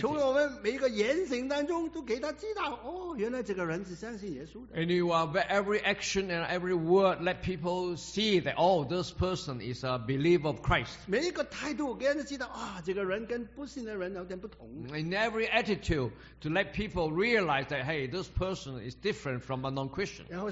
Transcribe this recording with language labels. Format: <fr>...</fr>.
<zh>从我们每一个言行当中都给他知道，哦，原来这个人是相信耶稣的。</zh> <en>And you are every action and every word let people see that oh, this person is a believer of Christ.</en> <zh>每一个态度给人知道，啊，这个人跟不信的人有点不同。</zh> <en>In every attitude to let people realize that hey, this person is different from a non-Christian.</en>